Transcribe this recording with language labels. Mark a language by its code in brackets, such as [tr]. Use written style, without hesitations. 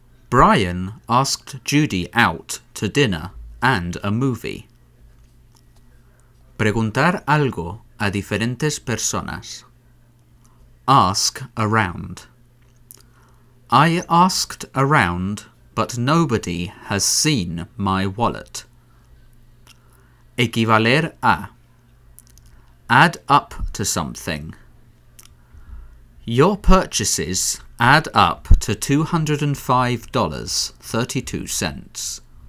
[en] Brian asked Judy out to dinner and a movie. [es] Preguntar algo a diferentes personas. [en] Ask around. I asked around, but nobody has seen my wallet. [es] Equivaler a. [en] Add up to something. Your purchases add up to $205.32.